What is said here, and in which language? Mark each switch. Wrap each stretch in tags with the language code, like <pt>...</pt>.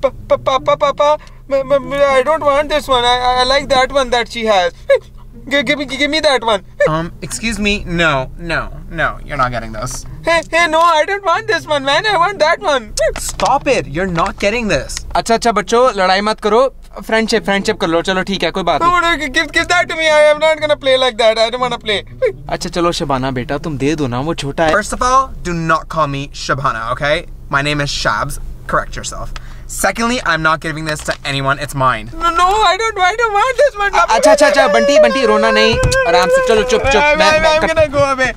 <en>Papa papa papa I don't want this one, I like that one that she has, give me that one. Excuse me, no no no, you are not getting this. Hey hey, no I don't want this one man, I want that one. Stop it, you are not getting this.</en> <hi>अच्छा अच्छा बच्चों लड़ाई मत करो, friendship friendship कर लो, चलो ठीक है कोई बात नहीं।</hi> <en>No, give that to me, I am not gonna play like that, I don't wanna play.</en> <hi>अच्छा चलो शबाना बेटा तुम दे दो ना, वो छोटा है।</hi> <en>First of all, do not call me Shabana, okay? My name is Shabs, correct yourself. Secondly, I'm not giving this to anyone, it's mine. No, I don't want this one.</en> <hi>अच्छा अच्छा अच्छा, बंटी बंटी रोना नहीं, आराम से चलो, चुप चुप।</hi>